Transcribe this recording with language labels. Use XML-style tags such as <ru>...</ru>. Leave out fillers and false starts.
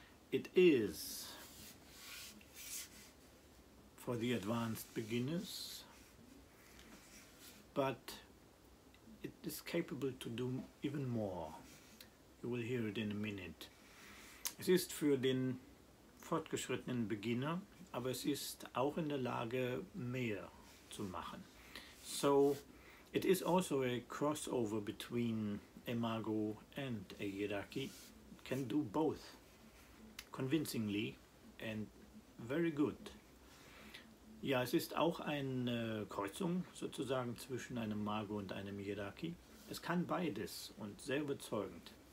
<en>It is for the advanced beginners, but it is capable to do even more. You will hear it in a minute.</en> <de>Es ist für den fortgeschrittenen Beginner, aber es ist auch in der Lage, mehr zu machen.</de> <en>So, it is also a crossover between a Mago and a Yidaki. It can do both convincingly and very good.</en> <de>Ja, es ist auch eine Kreuzung sozusagen zwischen einem Mago und einem Yidaki. Es kann beides und sehr überzeugend.</de>